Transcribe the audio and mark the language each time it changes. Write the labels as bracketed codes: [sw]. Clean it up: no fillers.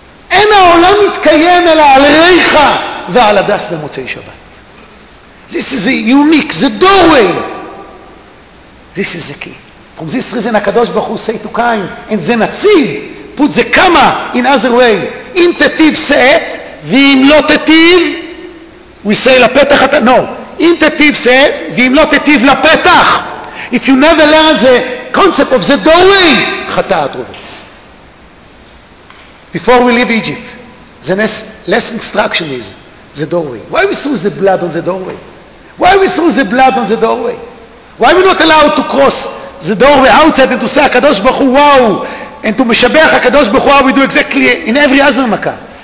[he] אין העולם מתקיים אלא על ריחה ועל הדס במוצאי שבת. [en] This is a unique, the doorway. This is the key. From this reason, הקדוש ברוך הוא say to Cain, and [he] זה נציב, [en] put the comma in other way. [he] אם תטיב, [en] say it, [he] ואם לא תטיב, [en] we say [he] לפתח, no. אם תטיב, [en] say it, [he] ואם לא תטיב, לפתח. [en] If you never learn the concept of the doorway, [he] חטא עטרובץ. [en] Before we leave Egypt, the next lesson instruction is the doorway. Why we threw the blood on the doorway? Why we threw the blood on the doorway? Why we not allowed to cross the doorway outside and to say, HaKadosh Baruch Hu, wow, and to Meshabach HaKadosh Baruch Hu, we do exactly in every other Makkah.